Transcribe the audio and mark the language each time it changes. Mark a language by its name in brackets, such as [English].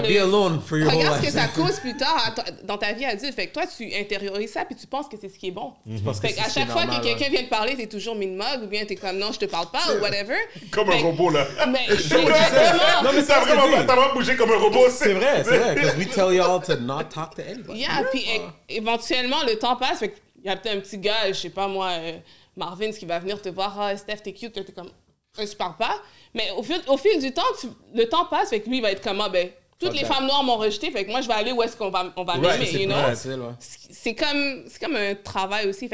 [English] Be alone for your [French] regarde ce que ça cause plus tard dans ta vie adulte. Fait que toi, tu intériorises ça puis tu penses que c'est ce qui est bon. Mm-hmm. Fait qu'à chaque fois que quelqu'un vient te parler, t'es toujours mis de mug ou bien t'es comme non, je te parle pas ou whatever. Comme un robot, là. Mais exactement. Non, mais t'as vraiment bougé comme un robot. C'est vrai. [English] Because we tell y'all to not talk to anybody. Yeah, [French] puis éventuellement, le temps passe. Fait qu'il y a peut-être un petit gars, je sais pas moi, Marvin, qui va venir te voir. Ah, Steph, t'es cute. T'es comme, je parle pas. Mais au fil du temps, le temps passe. Fait que lui, il va être comme, ah, ben, toutes les femmes noires m'ont rejeté. Fait que moi, je vais aller où est-ce qu'on va, m'aimer. C'est, [English] you know? [French] Ouais. C'est comme un travail aussi.